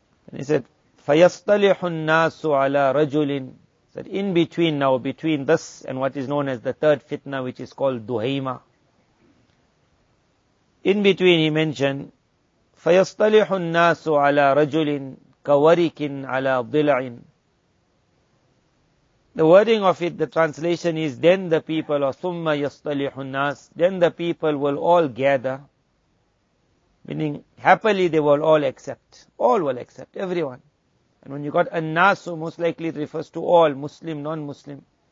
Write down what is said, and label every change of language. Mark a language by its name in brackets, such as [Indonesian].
[English] And he said, [Arabic] فَيَصْطَلِحُ النَّاسُ عَلَىٰ رَجُلٍ. [English] He said, in between now, between this and what is known as the third fitna, which is called Duhayma. In between he mentioned, [Arabic] فَيَصْطَلِحُ النَّاسُ عَلَىٰ رَجُلٍ كَوَرِكٍ عَلَىٰ ضِلَعٍ. [English] The wording of it, the translation is, then the people, or [Arabic] ثُمَّ يَصْطَلِحُ النَّاسِ, [English] then the people will all gather, meaning happily they will all accept. All will accept, everyone. And when you got النَّاسُ, most likely it refers to all, Muslim, non-Muslim.